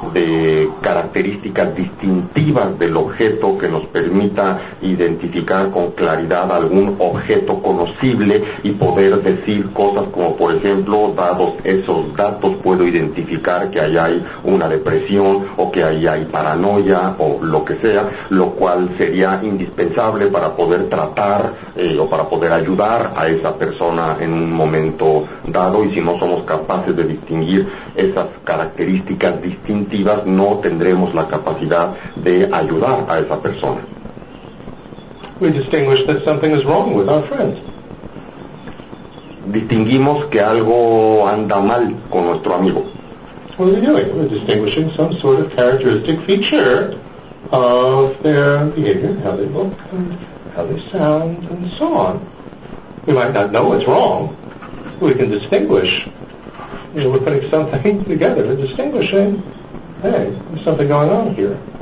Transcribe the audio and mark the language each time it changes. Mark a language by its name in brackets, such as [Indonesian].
[Spanish] de características distintivas del objeto que nos permita identificar con claridad algún objeto conocible y poder decir cosas como, por ejemplo, dados esos datos puedo identificar que allá hay una de presión o que ahí hay paranoia o lo que sea, lo cual sería indispensable para poder tratar o para poder ayudar a esa persona en un momento dado, y si no somos capaces de distinguir esas características distintivas, no tendremos la capacidad de ayudar a esa persona. [English] We distinguish that something is wrong with our friends. [Spanish] Distinguimos que algo anda mal con nuestro amigo. [English] What are they doing? We're distinguishing some sort of characteristic feature of their behavior, how they look, and how they sound, and so on. We might not know what's wrong, but we can distinguish. You know, we're putting something together. We're distinguishing, hey, there's something going on here.